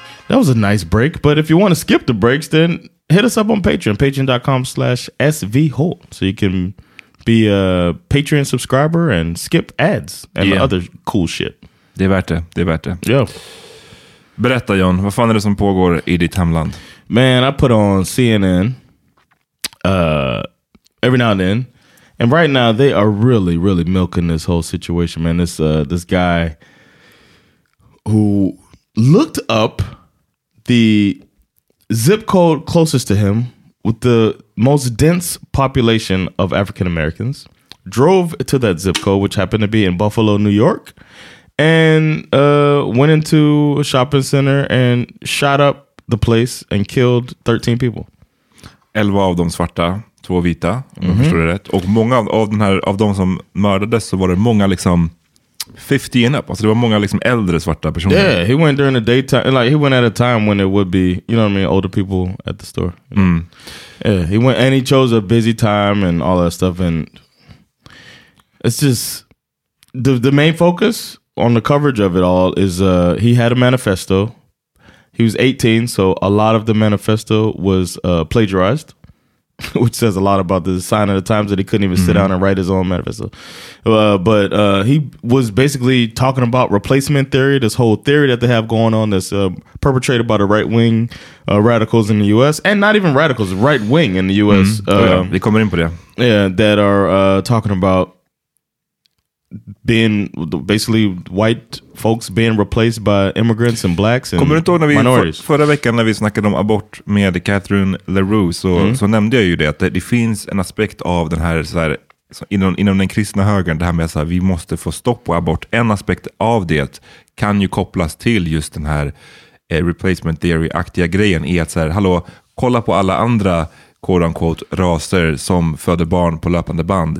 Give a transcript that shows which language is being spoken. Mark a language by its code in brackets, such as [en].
[en] That was a nice break, but if you want to skip the breaks, then hit us up on Patreon, patreon.com/svholt, so you can be a Patreon subscriber and skip ads and other cool shit. [sv] Det är värt det, det är värt det. [en] Yeah. [sv] Berätta, John. Vad fan är det som pågår i ditt hemland? [en] Man, I put on CNN every now and then. And right now, they are really, really milking this whole situation, man. This this guy who looked up the zip code closest to him with the most dense population of African Americans, drove to that zip code, which happened to be in Buffalo, New York, and went into a shopping center and shot up the place and killed 13 people. [sv] 11 av de svarta, 2 vita, om jag förstår det rätt. Och många av den här av de som mördades, så var det många liksom [en] 50 and up. [sv] Alltså det var många liksom äldre svarta personer. [en] Yeah, he went during the daytime. Like he went at a time when it would be, you know what I mean, older people at the store. You know? Mm. Yeah, he went and he chose a busy time and all that stuff. And it's just the main focus on the coverage of it all is he had a manifesto. He was 18, so a lot of the manifesto was plagiarized. Which says a lot about the sign of the times that he couldn't even sit down and write his own manifesto. He was basically talking about replacement theory, this whole theory that they have going on that's perpetrated by the right-wing radicals in the U.S. And not even radicals, right-wing in the U.S. They come in for that. Yeah, that are talking about being basically white folks being replaced by immigrants and blacks and minorities. [sv] Förra veckan när vi snackade om abort med Catherine LaRue så nämnde jag ju det, att det finns en aspekt av den här, så här inom den kristna högern, det här med att vi måste få stopp på abort. En aspekt av det kan ju kopplas till just den här replacement theory-aktiga grejen i att så här, hallå, kolla på alla andra quote-unquote raser som föder barn på löpande band.